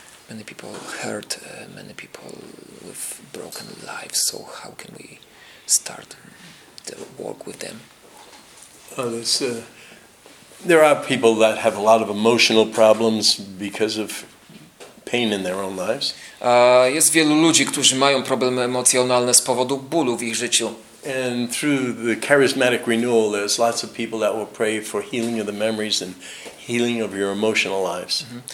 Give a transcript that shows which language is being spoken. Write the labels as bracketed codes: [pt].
[en] Many people hurt, many people with broken lives, so how can we start the work with them? Well, there are people that have a lot of emotional problems because of pain in their own lives. [pl] Jest wielu ludzi, którzy mają problemy emocjonalne z powodu bólu w ich życiu. [en] And through the charismatic renewal, there's lots of people that will pray for healing of the memories and healing of your emotional lives.